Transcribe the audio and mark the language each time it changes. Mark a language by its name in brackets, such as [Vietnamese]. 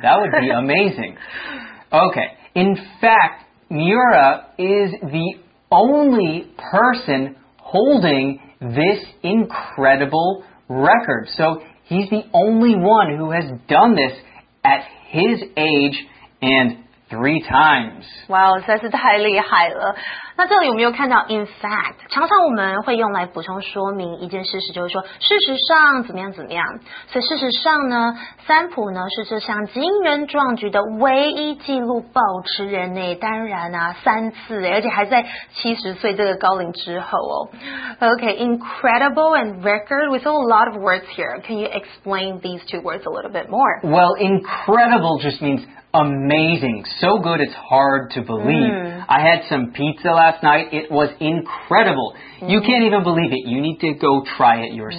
[English] That would be amazing. Okay. In fact, Miura is the only person holding this incredible record. So he's the only one who has done this at his age and 3 times. [Chinese] Wow, 实在是太厉害了。那这里我们又看到 [English] in fact， [Chinese] 常常我们会用来补充说明一件事实，就是说事实上怎么样怎么样，所以事实上呢，三浦呢是这项惊人壮举的唯一纪录保持人呢，当然啊三次，而且还在70岁这个高龄之后哦。 [English] OK， incredible and record， we saw a lot of words here， can you explain these two words a little bit more？ Well， incredible just means amazing， so good it's hard to believe、mm. I had some pizza last night. It was incredible. You、mm-hmm. can't even believe it. You need to go try it yourself.